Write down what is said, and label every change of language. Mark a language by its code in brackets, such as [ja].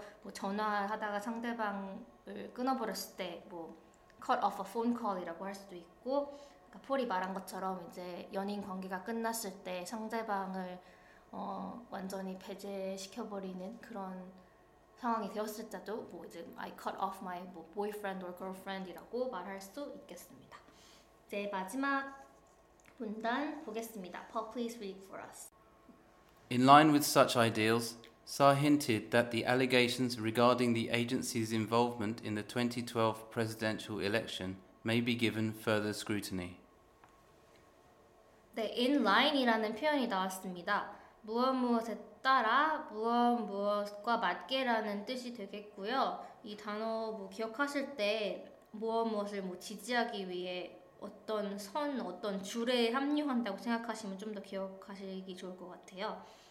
[ko] 뭐 전화하다가 상대방을 끊어버렸을 때 뭐 [en] cut off a phone call [ko] 이라고 할 수도 있고 그러니까 폴이 말한 것처럼 이제 연인 관계가 끝났을 때 상대방을 완전히 배제시켜버리는 그런 상황이 되었을 때도 뭐 이제 [en] I cut off my boyfriend or girlfriend [ko] 이라고 말할 수 있겠습니다. 이제 마지막 문단 보겠습니다. [en] Paul, please read for us. In line with such ideals, Saar hinted that the allegations regarding the agency's involvement in the 2012 presidential election may be given further scrutiny. [ko] 네, in line이라는 표현이 나왔습니다. 무엇 무엇에 따라 무엇 무엇과 맞게라는 뜻이 되겠고요. 이 단어 뭐 기억하실 때 무엇 무엇을 뭐 지지하기 위해 어떤 선, 어떤 줄에 합류한다고 생각하시면 좀 더 기억하시기 좋을 것 같아요.